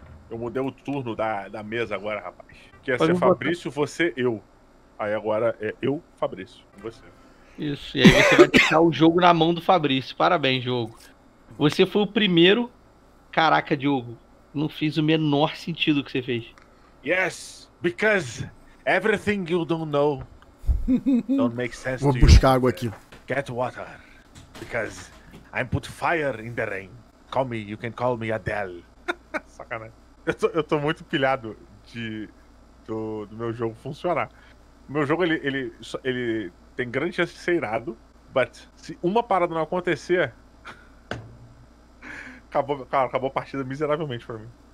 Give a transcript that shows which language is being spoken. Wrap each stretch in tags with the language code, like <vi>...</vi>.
<pt>Eu mudei o turno da mesa agora, rapaz. Que ia ser Fabrício, botar. Você, eu. Aí agora é eu, Fabrício, você. Isso, e aí você vai deixar o jogo na mão do Fabrício. Parabéns, Diogo. Você foi o primeiro... Caraca, Diogo, não fiz o menor sentido o que você fez.</pt> <en>Yes, because everything you don't know don't make sense to you.</en> <pt>Vou buscar água aqui.</pt> <en>Get water, because I put fire in the rain. Call me, you can call me Adele.</en> <pt>Sacanagem. Eu tô muito pilhado do meu jogo funcionar. Meu jogo, ele tem grande chance de ser irado, but se uma parada não acontecer, acabou a partida miseravelmente pra mim.</pt>